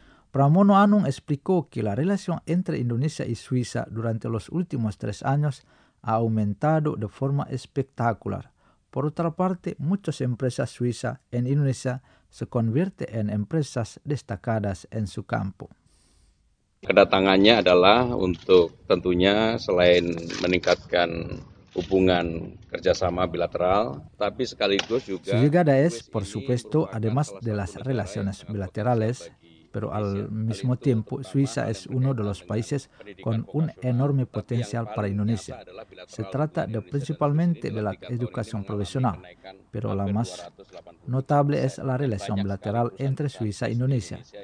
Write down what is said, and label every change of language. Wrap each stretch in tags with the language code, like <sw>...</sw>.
<es>Pramono Anung explicó que la relación entre Indonesia y Suiza durante los últimos 3 años ha aumentado de forma espectacular. Por otra parte, muchas empresas suizas en Indonesia se convierten en empresas destacadas en su campo.</es> <id>Kedatangannya adalah untuk tentunya selain meningkatkan hubungan kerjasama bilateral, tapi sekaligus juga. Sejujurnya,</id> <es>por supuesto, además de las relaciones bilaterales, pero al mismo tiempo, Suiza es uno de los países con un enorme potencial para Indonesia. Se trata de principalmente de la educación profesional, pero la más notable es la relación bilateral entre Suiza e Indonesia.</es>